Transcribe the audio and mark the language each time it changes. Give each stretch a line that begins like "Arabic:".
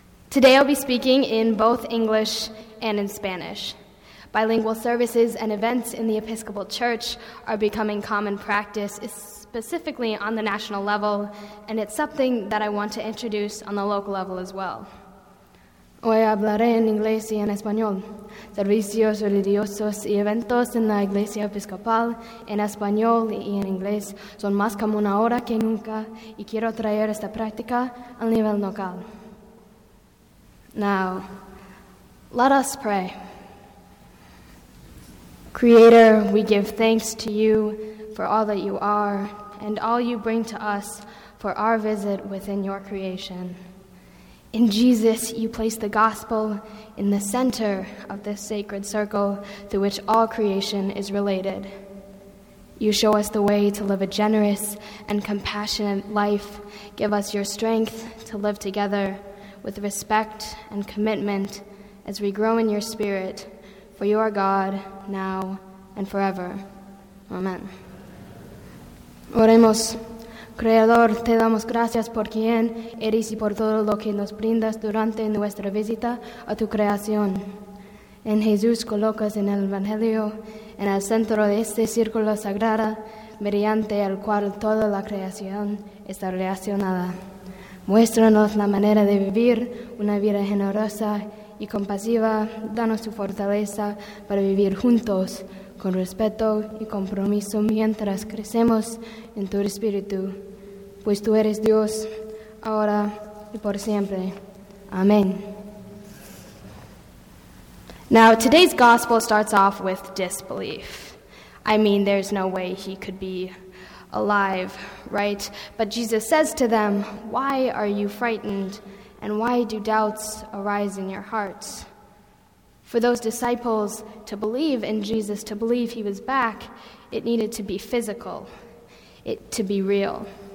English: Today I'll be speaking in both English and in Spanish. Bilingual services and events in the Episcopal Church are becoming common practice, specifically on the national level, and it's something that I want to introduce on the local level as well.
Spanish: Hoy hablaré en inglés y en español. Servicios religiosos y eventos en la Iglesia Episcopal en español y en inglés son más común ahora que nunca, y quiero traer esta práctica al nivel local.
English: Now, let us pray. Creator, we give thanks to you for all that you are and all you bring to us for our visit within your creation. In Jesus, you place the gospel in the center of this sacred circle through which all creation is related. You show us the way to live a generous and compassionate life. Give us your strength to live together with respect and commitment as we grow in your spirit. For you are God, now and forever. Amen.
Spanish: Oremos. Creador, te damos gracias por quien eres y por todo lo que nos brindas durante nuestra visita a tu creación. En Jesús colocas en el Evangelio, en el centro de este círculo sagrado, mediante el cual toda la creación está relacionada. Muéstranos la manera de vivir una vida generosa y compasiva, danos tu fortaleza para vivir juntos, con respeto y compromiso mientras crecemos en tu espíritu, pues tú eres Dios, ahora y por siempre. Amén.
English: Now, today's gospel starts off with disbelief. I mean, there's no way he could be alive, right? But Jesus says to them, "Why are you frightened? And why do doubts arise in your hearts?" For those disciples to believe in Jesus, to believe he was back, it needed to be physical, to be real.